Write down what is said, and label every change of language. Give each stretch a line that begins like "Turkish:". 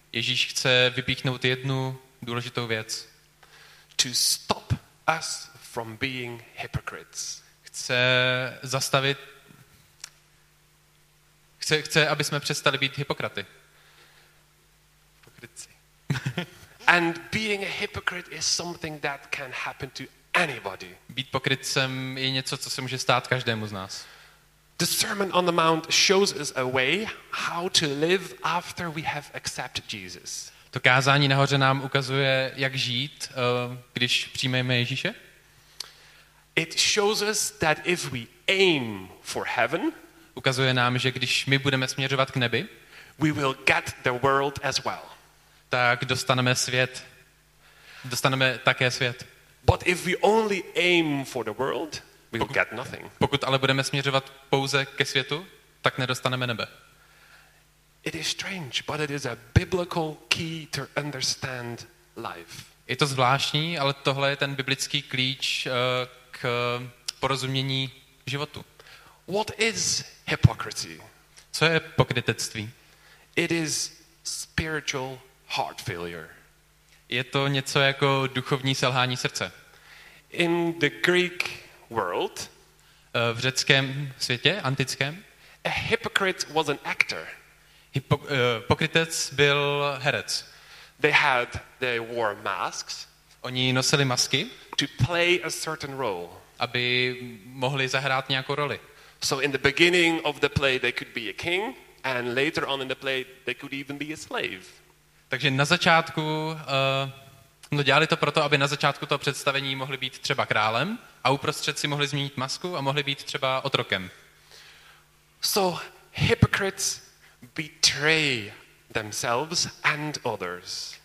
Czech: Ježíš chce vypíchnout jednu důležitou věc.
English: To stop us from being hypocrites.
Czech: Chce, aby jsme přestali být hypokraty.
English: Hypocrisy. And being a hypocrite is something that can happen to anybody.
Czech: Být pokrytcem je něco, co se může stát každému z nás.
English: The Sermon on the Mount shows us a way how to live after we have accepted Jesus.
Czech: To kázání nahoře nám ukazuje, jak žít, když přijmeme Ježíše.
English: It shows us that if we aim for heaven,
Czech: ukazuje nám, že když my budeme směřovat k nebi,
English: we will get the world as well.
Czech: Tak dostaneme svět. Dostaneme také svět.
English: But if we only aim for the world, we will get nothing.
Czech: Pokud ale budeme směřovat pouze ke světu, tak nedostaneme nebe.
English: It is strange, but it is a biblical key to understand life.
Czech: Je to zvláštní, ale tohle je ten biblický klíč k porozumění životu.
English: What is hypocrisy?
Czech: Co je pokrytectví?
English: It is spiritual heart failure.
Czech: Je to něco jako duchovní selhání srdce.
English: In the Greek world,
Czech: v řeckém světě, antickém,
English: a hypocrite was an actor.
Czech: Pokrytec byl herec.
English: They wore masks.
Czech: Oni nosili masky.
English: To play a certain role.
Czech: Aby mohli zahrát nějakou roli.
English: So in the beginning of the play they could be a king, and later on in the play they could even be a slave.
Czech: Takže na začátku dělali to proto, aby na začátku toho představení mohli být třeba králem a uprostřed si mohli změnit masku a mohli být třeba otrokem.
English: So hypocrites betray themselves and others.